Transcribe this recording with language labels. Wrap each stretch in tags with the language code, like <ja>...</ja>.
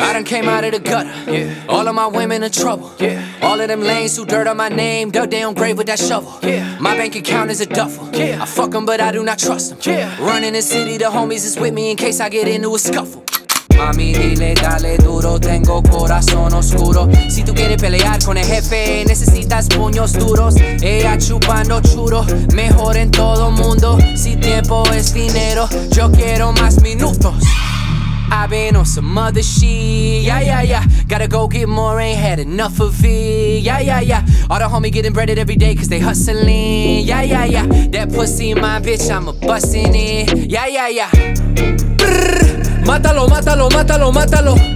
<en>I done came out of the gutter. Yeah. All of my women in trouble. Yeah. All of them lanes who dirt on my name, dug their own grave with that shovel. Yeah. My bank account is a duffel. Yeah. I fuck them, but I do not trust them. Yeah. Running the city, the homies is with me in case I get into a scuffle.</en> <es>Mami, dile, dale duro, tengo corazón oscuro. Si tú quieres pelear con el jefe, necesitas puños duros. Ella chupando churo, mejor en todo mundo. Si tiempo es dinero, yo quiero más minutos.</es> <en>I've been on some other shit, yeah, yeah, yeah. Gotta go get more, ain't had enough of it, yeah, yeah, yeah. All the homies getting breaded every day cause they hustling, yeah, yeah, yeah. That pussy my bitch, I'ma bustin' it, yeah, yeah, yeah.</en> <es>Brrr. Mátalo, mátalo, mátalo, mátalo.</es>